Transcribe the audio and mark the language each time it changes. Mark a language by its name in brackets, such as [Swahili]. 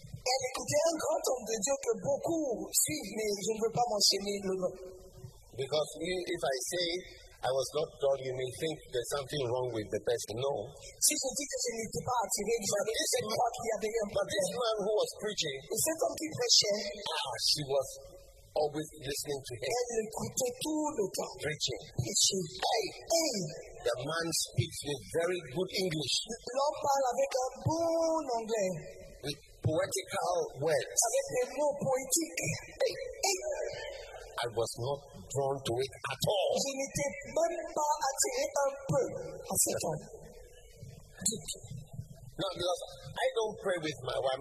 [French] Elle écoutait un grand homme de Dieu que beaucoup suivent, mais je ne veux pas mentionner le nom. [English] Because if I say I was not drawn, you may think there's something wrong with the person. No. [French] Si je dis que je n'étais pas attiré, je ne sais pas qu'il y avait un problème. [English] But this man who was preaching, [French] c'est comme qui prêchait. [English] Ah, she was always listening to him. [French] Elle écoutait tout le temps. [English] Preaching. Hey. The man speaks with very good English. [French] L'homme parle avec un bon anglais. [English] With poetical words. [French] Avec des mots poétiques. [English] Hey. I was not drawn to it at all. [French] Je n'étais même pas attiré un peu à cet homme. [English] No, because I don't pray with my wife.